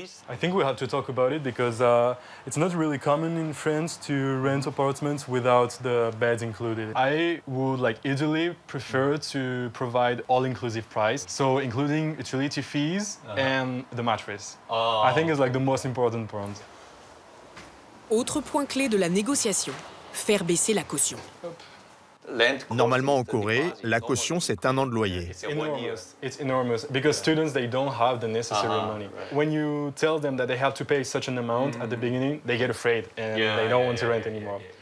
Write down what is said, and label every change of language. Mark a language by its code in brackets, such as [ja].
[en] I think we have to talk about it because it's not really common in France to rent apartments without the beds included. I would like ideally prefer to provide all-inclusive price, so including utility fees and the mattress. I think it's like the most important point. [fr] Autre point clé de la négociation, faire baisser la caution. Normalement, en Corée, la caution, c'est un an de loyer. [en] It's enormous because students, they don't have the necessary money. When you tell them that they have to pay such an amount at the beginning, they get afraid and they don't want to rent anymore.